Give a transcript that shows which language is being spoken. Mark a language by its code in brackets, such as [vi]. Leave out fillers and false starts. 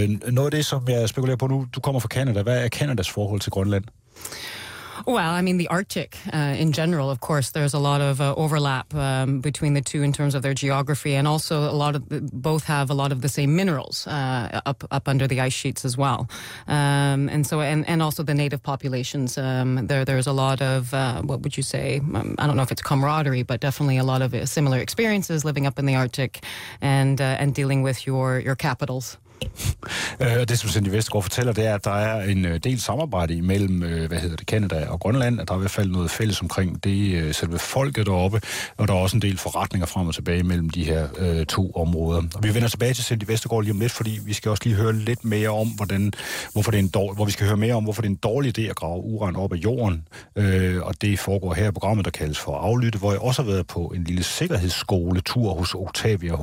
[da] Noget af det, som jeg spekulerer på nu, du kommer fra Canada. Hvad er Canadas forhold til Grønland? [en] Well, I mean, the Arctic in general, of course, there's a lot of overlap between the two in terms of their geography, and also a lot of both have a lot of the same minerals up under the ice sheets as well. And also the native populations. There's a lot of, what would you say, I don't know if it's camaraderie, but definitely a lot of similar experiences living up in the Arctic and dealing with your capitals. [da] Det, som Cindy Vestergaard fortæller, det er, at der er en del samarbejde imellem, hvad hedder det, Canada og Grønland, at der er i hvert fald noget fælles omkring det selve folket deroppe, og der er også en del forretninger frem og tilbage mellem de her to områder. Og vi vender tilbage til Cindy Vestergaard lige om lidt, fordi vi skal også lige høre lidt mere om, hvorfor det er en dårlig idé at grave uran op af jorden, og det foregår her i programmet, der kaldes for aflytte, hvor jeg også har været på en lille sikkerhedsskoletur hos Octavia H.